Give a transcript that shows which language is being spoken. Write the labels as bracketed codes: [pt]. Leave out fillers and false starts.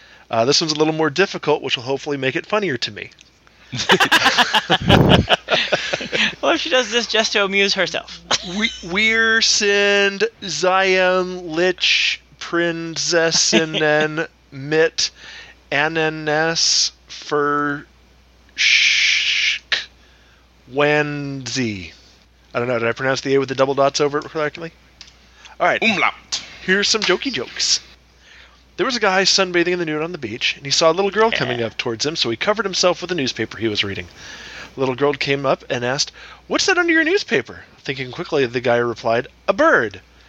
[en] This one's a little more difficult, which will hopefully make it funnier to me. Well, if she does this just to amuse herself. [de] Wir sind Zion Lich Prinzessinnen mit Ananas für Schwanzi. [en] I don't know, did I pronounce the A with the double dots over it correctly? All right. Umlaut. Here's some jokey jokes. There was a guy sunbathing in the nude on the beach, and he saw a little girl coming up towards him, so he covered himself with a newspaper he was reading. The little girl came up and asked, "What's that under your newspaper?" Thinking quickly, the guy replied, "A bird."